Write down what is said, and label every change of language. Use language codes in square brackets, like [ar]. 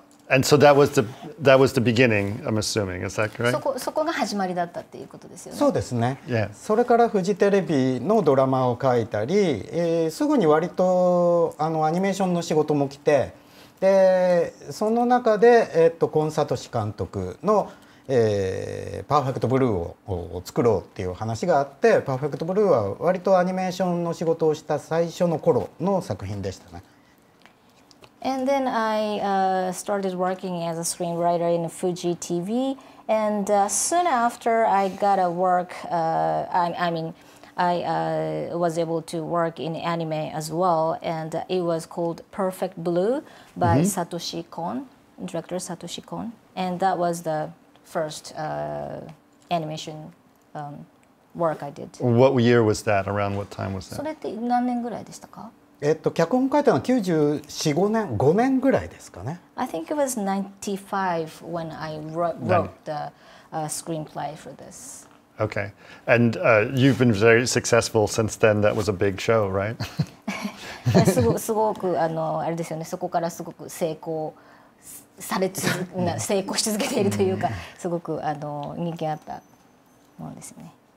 [en] And so that was the beginning, I'm assuming. Is that correct? [ja] そこが始まりだったっていうことですよね。そうですね。 [en] Yeah. [ja] それからフジテレビのドラマを書いたり、すぐに割とアニメーションの仕事も来て、でその中で、コンサトシ監督のパーフェクトブルーを作ろうっていう話があって、パーフェクトブルーは割とアニメーションの仕事をした最初の頃の作品でしたね。 [en] And then I, started working as a screenwriter in Fuji TV, and, soon after I got a work, I was able to work in anime as well, and it was called Perfect Blue by Satoshi Kon, director Satoshi Kon, and that was theFirst animation work I did. What year was that? Around what time was that? [ja] それって何年ぐらいでしたか？脚本書いたのは94、5年ぐらいですかね。 [en] I think it was 95 when I wrote the screenplay for this. Okay, and you've been very successful since then. That was a big show, right? [ja] すごくあれですよね。そこからすごく成功。成功し続けているというか、すごく人気あったものですね。